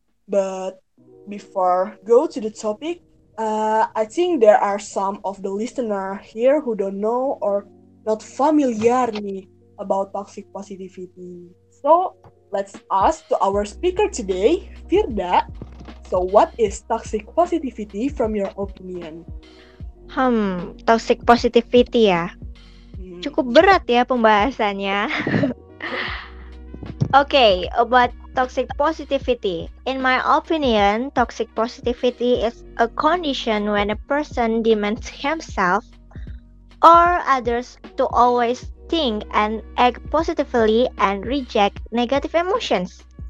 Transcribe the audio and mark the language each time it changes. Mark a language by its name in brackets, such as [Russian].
[English] But before go to the topic, I think there are some of the listener here who don't know or not familiar about toxic positivity. So, let's ask to our speaker today, Firda. So, what is toxic positivity from your opinion? Toxic positivity ya. [Indonesian] Cukup berat ya pembahasannya. [English] Okay, about toxic positivity. In my opinion, toxic positivity is a condition when a person demands himself or others to always think and act positively and reject negative emotions.